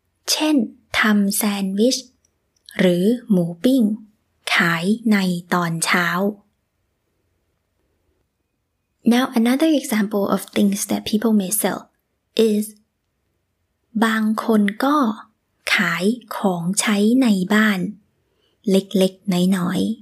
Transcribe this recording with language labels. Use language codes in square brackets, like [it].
[th] เช่นทำแซนด์วิชหรือหมูปิ้งขายในตอนเช้า [en] Now another example of things that people may sell is [th] บางคนก็ขายของใช้ในบ้านเล็กๆน้อย